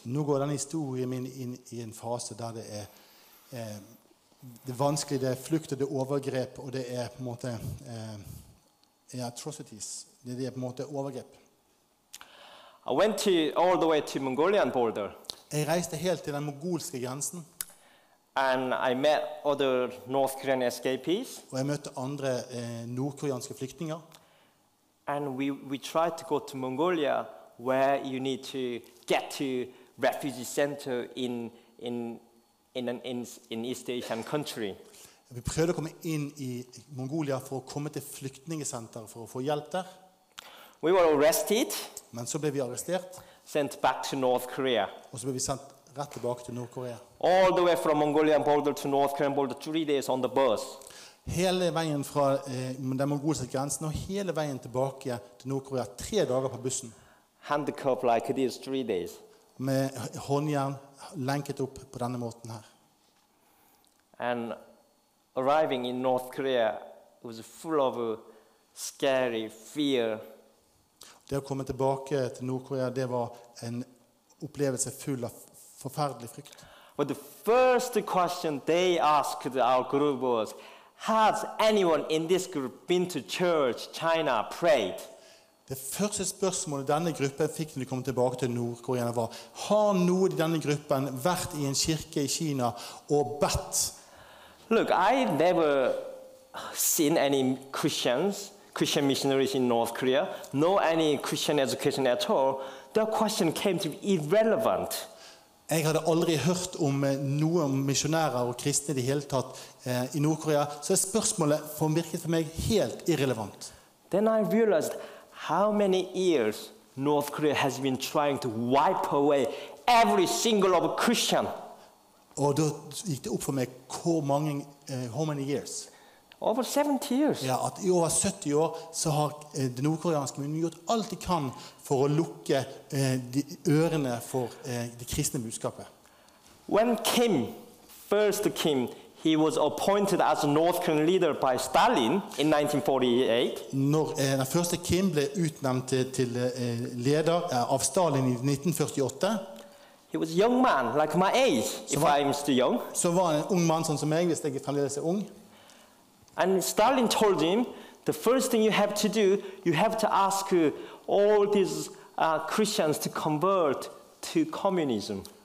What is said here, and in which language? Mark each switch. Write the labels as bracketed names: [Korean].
[Norwegian] Nu går den historien min inn I en fase der det det vanskelige, det flyktet, det overgrep, og det på en måte atrocities. Det på en måte overgrep. [English] I went to all the way to Mongolian border. [Norwegian] Jeg reiste helt til den mongolske grensen. [English] And I met other North Korean escapees. [Norwegian] Og jeg møtte andre nordkoreanske flyktninger. [English] And we tried to go to Mongolia, where you need to get to refugee center in East Asian country. [Norwegian] Vi prøvde å komme inn I Mongolia for å komme til flyktningesenter for å få hjelp der. [English] We were arrested. [Norwegian] Men så ble vi arrestert. [English] Sent back to North Korea. [Norwegian] Og så ble vi sendt. Rett tilbake til Nord-Korea. [English] All the way from Mongolian border to North Korean border, 3 days on the bus. [Norwegian] Hele veien fra den mongolske grensen og hele veien tilbake til Nord-Korea, 3 dager på bussen. [English] Handicapped like this, 3 days. [Norwegian] Med håndjern lenket opp på denne måten her. [English] And arriving in North Korea was full of scary fear. [Norwegian] Det å komme tilbake til Nord-Korea, det var en opplevelse full av forferdelig frykt. [English] But the first question they asked our group was, has anyone in this group been to church, China, prayed? [Norwegian] Det første spørsmålet denne gruppen fikk når de kom tilbake til Nord-Korea var, har noen I denne gruppen vært I en kirke I Kina og bedt? [English] Look, I never seen any Christian missionaries in North Korea, nor any Christian education at all. The question came to be irrelevant. [Norwegian] Jeg hadde aldri hørt om noen misjonærer og kristne I det hele tatt I Nord-Korea, så spørsmålet virket for meg helt irrelevant. [English] Then I realized how many years North Korea has been trying to wipe away every single of a Christian. [Norwegian] Og da gikk det opp for meg [English] how many years? Over 70 years. [Norwegian] Ja, at I over 70 år så har det nordkoreanske myndighet gjort alt de kan for å lukke de ørene for det kristne budskapet. [English] When Kim, first Kim, he was appointed as a North Korean leader by Stalin in 1948. [Norwegian] Når første Kim ble utnevnt til leder av Stalin I 1948. [English] He was a young man, like my age, if I'm still young. [Norwegian] Så var han en ung mann sånn som meg, hvis jeg fremdeles ung. [English] And Stalin told him, the first thing you have to do, you have to ask all these Christians to convert to communism.